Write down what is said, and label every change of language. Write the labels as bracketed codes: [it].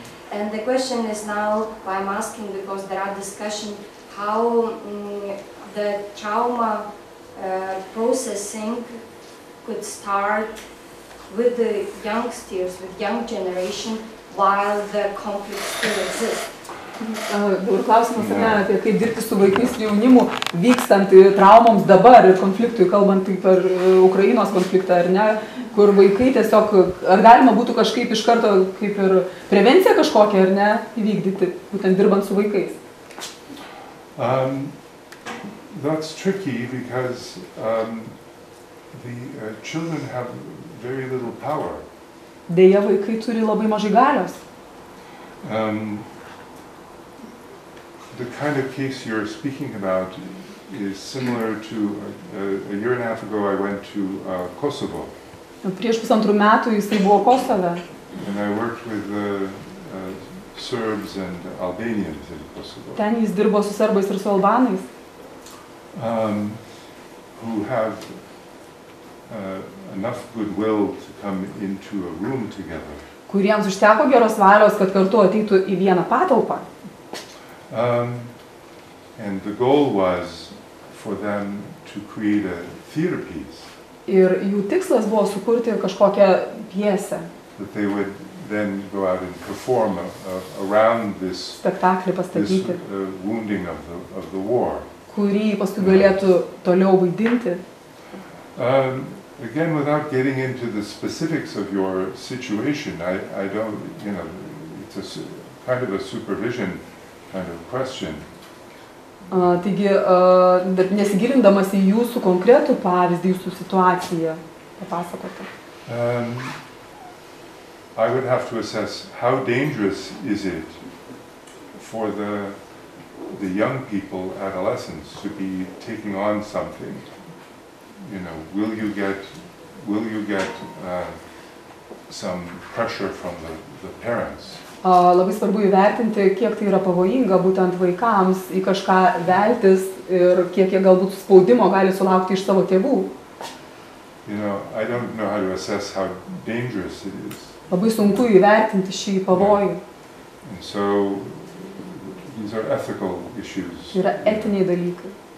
[en] And the question is now, I'm asking because there are discussion how the trauma processing could start with the youngsters, with young generation, while the conflict still exists. [lt] Ir klausimas yra apie kaip dirbti su vaikais ir jaunimu vykstant traumoms dabar ir konfliktui, kalbant taip per Ukrainos konfliktą, ar ne, kur vaikai tiesiog, ar galima būtų kažkaip iš karto kaip ir prevenciją kažkokią, ar ne, įvykdyti, būtent dirbant su vaikais? [en] That's tricky because the children have very little power. [lt] Deja, vaikai turi labai mažai galios. [en] The kind of case you're speaking about is similar to a year and a half ago I went to Kosovo. [lt] Prieš pusantrų metų jisai buvo Kosove. [en] And I worked with the Serbs and Albanians in Kosovo. [lt] Ten jis dirbo su serbais ir su albanais. [en] Who have enough goodwill to come into a room together. [lt] Kuriems užteko geros valios, kad kartu ateitų į vieną patalpą. [en] And the goal was for them to create a theater piece. [lt] Ir jų tikslas buvo sukurti kažkokią pjesę. [en] That they would then go out and perform around this [lt] spektaklį pastatyti. [en] This wounding of the war. [lt] Kurį paskui galėtų toliau vaidinti. [en] Again, without getting into the specifics of your situation, I don't, you know, it's a kind of a supervision kind of question, [lt] Taigi, nesigilindamas į jūsų konkretų pavyzdį, jūsų situaciją, papasakote. [en] I would have to assess how dangerous is it for the young people, adolescents, to be taking on something. You know, will you get some pressure from the parents? [lt] Labai svarbu įvertinti, kiek tai yra pavojinga būtent vaikams į kažką veltis ir kiek jie galbūt spaudimo gali sulaukti iš savo tėvų. [en] You know, I don't know how to assess how dangerous it is. [lt] Labai sunku įvertinti šį pavojų. [en] And so these are ethical issues. [lt] Tai yra etiniai dalykai.